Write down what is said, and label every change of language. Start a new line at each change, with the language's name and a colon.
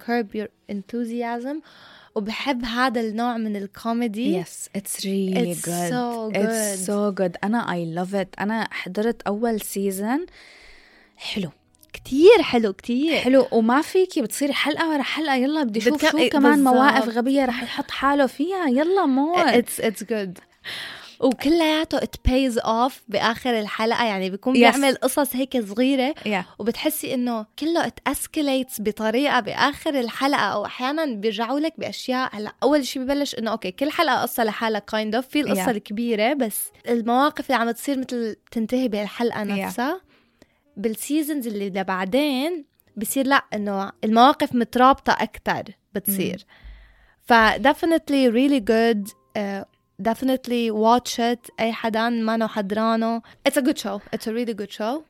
Arabic: curb your enthusiasm وبحب هذا النوع من الكوميدي
English: yes it's really it's good. So good it's so good
Arabic: أنا
English: I love it
Arabic: أنا حضرت أول سيزن حلو كتير حلو كتير حلو وما فيكي بتصير حلقة ورا حلقة يلا بدي شوف شو كمان بالزبط. مواقف غبية رح يحط حاله فيها يلا مور
English: it's good
Arabic: وكلياته
English: it pays off
Arabic: بآخر الحلقة يعني بيكون
English: yes.
Arabic: بيعمل قصص هيك صغيرة
English: yeah.
Arabic: وبتحسي إنه كله
English: it escalates
Arabic: بطريقة بآخر الحلقة أو أحياناً بيرجعوا لك بأشياء هلا أول شيء ببلش إنه أوكي كل حلقة قصة لحالة
English: kind of
Arabic: في القصة
English: yeah.
Arabic: الكبيرة بس المواقف اللي عم تصير مثل تنتهي بهالحلقة نفسها
English: yeah.
Arabic: بالسيزنز اللي لبعدين بصير لا إنه المواقف مترابطة أكتر بتصير ف
English: definitely really good definitely watch it
Arabic: أي حدا مانو حضرانه
English: it's a good show it's a really good show